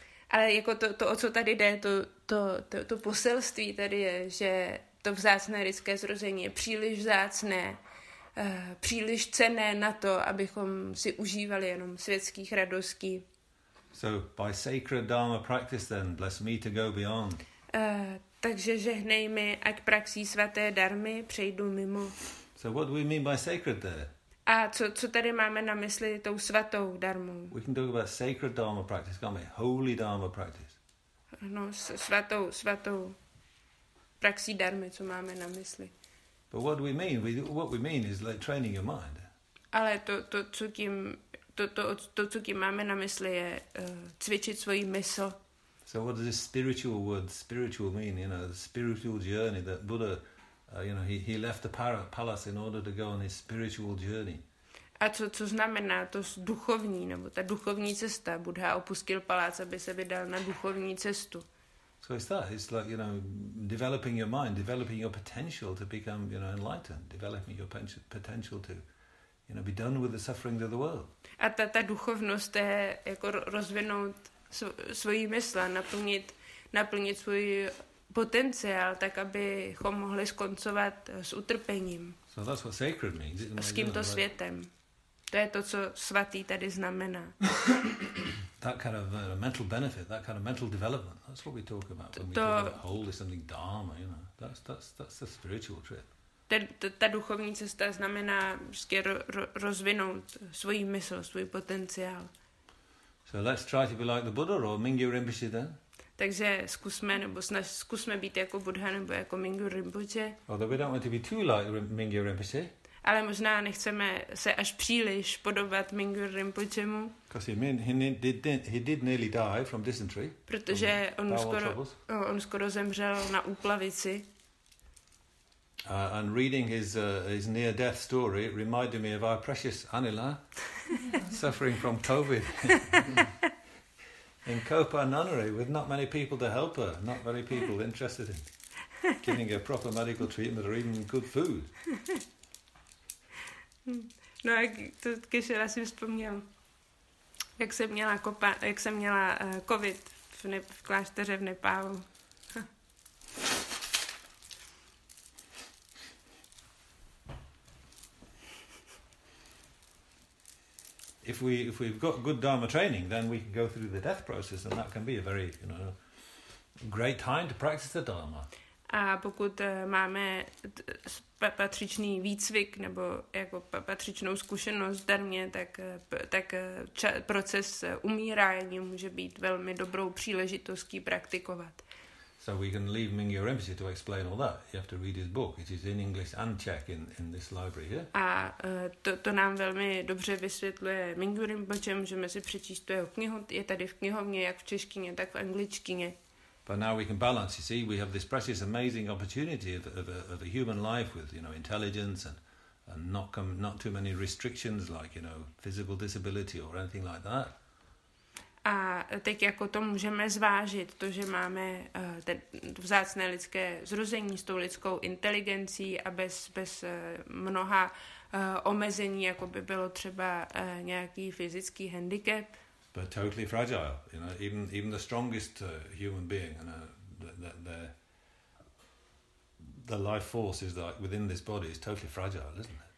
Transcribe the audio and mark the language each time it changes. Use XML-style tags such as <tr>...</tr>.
<cs>Ale jako to o co tady jde, to poselství tady je, že to vzácné lidské zrození je příliš vzácné, příliš cenné na to, abychom si užívali jenom světských radostí.</cs> <en>So by sacred dharma practice then bless me to go beyond.</en> <cs>Takže žehnej mi, ať praxí svaté dharmy přejdu mimo.</cs> <en>So what do we mean by sacred there?</en> <cs>A co tady máme na mysli tou svatou dharmou?</cs> <en>We can talk about sacred dharma practice, can't we? Holy dharma practice.</en> <cs>No, svatou praxí dharmy, co máme na mysli.</cs> <en>But what do we mean? What we mean is like training your mind.</en> <cs>Ale to, co tím máme na mysli, je cvičit svoji mysl.</cs> <en>So what does this spiritual word, spiritual mean? You know, the spiritual journey that Buddha, he left the palace in order to go on his spiritual journey.</en> <cs>A co znamená to duchovní, nebo ta duchovní cesta? Buddha opustil palác, aby se vydal na duchovní cestu.</cs> <en>So it's that. It's like, you know, developing your mind, developing your potential to become, you know, enlightened, developing your potential to, you know, be done with the sufferings of the world.</en> <cs>A ta duchovnost je jako rozvinout svoji mysl, naplnit naplnit svůj potenciál, tak abychom mohli skoncovat s utrpením.</cs> <en>So that's what sacred means.</en> <cs>A s tímto světem. To je to, co svatý tady znamená.</cs> <en>That kind of mental benefit, that kind of mental development. That's what we talk about when we talk about holy something dharma, you know. That's the spiritual trip.</en> <cs>Ta duchovní cesta znamená vždycky rozvinout svoji mysl, svůj potenciál.</cs> <en>So let's try to be like the Buddha or Mingyur Rinpoche then.</en> <cs>Takže zkusme být jako Buddha nebo jako Mingyur Rinpoche.</cs> <en>Although we don't want to be too like Mingyur Rinpoche.</en> <cs>Ale možná nechceme se až příliš podobat Mingyur Rinpochemu.</cs> <en>Because he did nearly die from dysentery.</en> <cs>Protože on skoro zemřel na úplavici.</cs> <en>And reading his near death story reminded me of our precious Anila suffering from COVID in Copa Nunnery with not many people to help her, not many people interested in giving her proper medical treatment or even good food.</en> <cs>No, když já si vzpomněl, jak jsem měla COVID v klášteře v Nepálu.</cs> <en>If we've got good dharma training, then we can go through the death process, and that can be a very, you know, great time to practice the dharma.</en> <cs>A pokud máme patřičný výcvik nebo jako patřičnou zkušenost dharmě, tak proces umírání může být velmi dobrou příležitostí praktikovat.</cs> <en>So we can leave Mingyur Rinpoche to explain all that. You have to read his book. It is in English and Czech in this library here.</en> <cs>A to nám velmi dobře vysvětluje Mingyur Rinpoche. Můžeme si přečíst tu jeho knihu. Je tady v knihovně, jak v češtině, tak v angličtině.</cs> <en>But now we can balance. You see, we have this precious, amazing opportunity of a human life with, you know, intelligence and not too many restrictions like, you know, physical disability or anything like that.</en> <cs>A teď jako to můžeme zvážit, to, že máme ten vzácné lidské zrození s tou lidskou inteligencí a bez mnoha omezení, jako by bylo třeba nějaký fyzický handicap.</cs> <en>But totally fragile, you know, even the strongest human being, and the life force is like within this body is totally fragile, isn't it?</en>